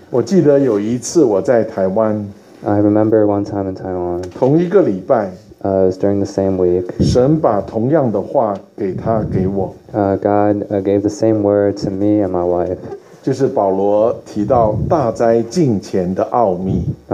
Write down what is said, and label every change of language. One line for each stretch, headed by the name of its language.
Chinese: 我记得有一次我在台湾。
English: I remember one time in Taiwan.
Chinese: 同一个礼拜。
English: It's during the same week.
Chinese: 神把同样的话给他给我。
English: God gave the same word to me and my wife.
Chinese: 就是保罗提到大灾敬虔的奥秘。